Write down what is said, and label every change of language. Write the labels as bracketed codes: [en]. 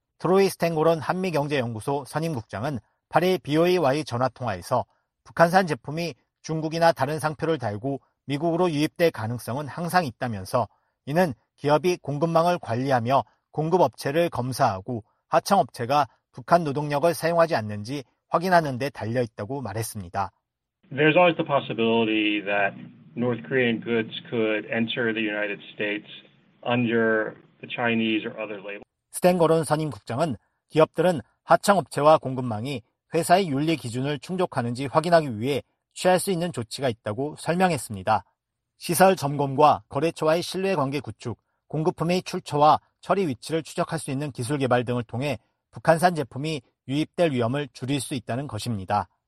[ko] 트로이 스탱고론 한미경제연구소 선임국장은 8일 BOE와의 전화통화에서 북한산 제품이 중국이나 다른 상표를 달고 미국으로 유입될 가능성은 항상 있다면서 이는 기업이 공급망을 관리하며 공급업체를 검사하고 하청업체가 북한 노동력을 사용하지 않는지 확인하는 데 달려있다고 말했습니다. [en] There's always the possibility that North Korean goods could enter the United States under the Chinese or other label. [ko] 스탱거론 선임 국장은 기업들은 하청업체와 공급망이 회사의 윤리 기준을 충족하는지 확인하기 위해 취할 수 있는 조치가 있다고 설명했습니다. 시설 점검과 거래처와의 신뢰관계 구축, 공급품의 출처와 처리 위치를 추적할 수 있는 기술 개발 등을 통해 북한산 제품이 유입될 위험을 줄일 수 있다는 것입니다.